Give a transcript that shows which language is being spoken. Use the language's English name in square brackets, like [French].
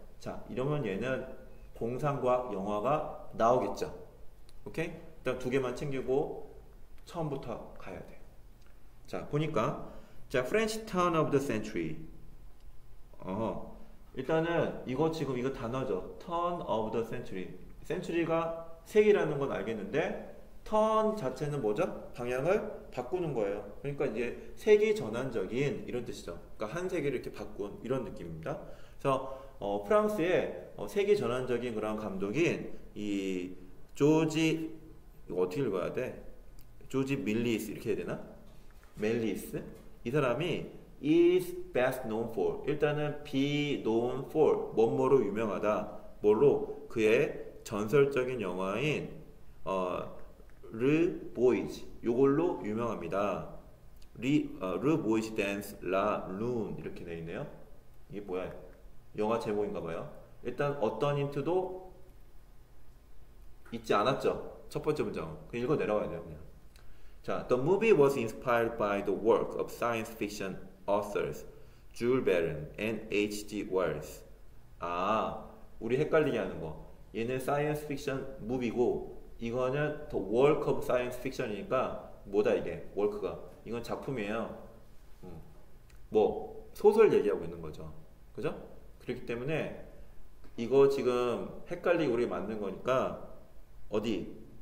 [Korean] 자, 이러면 얘는 공상과학 영화가 나오겠죠. 오케이? 일단 두 개만 챙기고 처음부터 가야 돼요. 자, 보니까 자, [English] French Turn of the Century. [Korean] 일단은 이거 지금 이거 단어죠. [English] Turn of the century. [Korean] century가 세기라는 건 알겠는데 turn 자체는 뭐죠? 방향을 바꾸는 거예요. 그러니까 이게 세기 전환적인 이런 뜻이죠. 그러니까 한 세기를 이렇게 바꾼 이런 느낌입니다. 그래서 프랑스의 세기 전환적인 그런 감독인 이 조지 이거 어떻게 읽어야 돼? 조지 밀리스 이렇게 해야 되나? 멜리스? 이 사람이 [English] is best known for. [Korean] 일단은 [English] be known for. [Korean] 뭐뭐로 유명하다. 뭘로? 그의 전설적인 영화인, 르 보이즈. 요걸로 유명합니다. 르 보이즈 댄스 라 룬. 이렇게 돼 있네요. 이게 뭐야? 영화 제목인가 봐요. 일단 어떤 힌트도 있지 않았죠? 첫 번째 문장. 그냥 읽어 내려가야 돼요, 그냥. [English] 자, the movie was inspired by the work of science fiction authors, Jules Verne and H.G. Wells. [Korean] 아, 우리 헷갈리게 하는 거. 얘는 사이언스 픽션 무비고, 이거는 [English] The Work of Science Fiction [Korean] 이니까, 뭐다 이게, 워크가. 이건 작품이에요. 뭐, 소설 얘기하고 있는 거죠. 그죠? 그렇기 때문에, 이거 지금 헷갈리게 우리 맞는 거니까, 어디?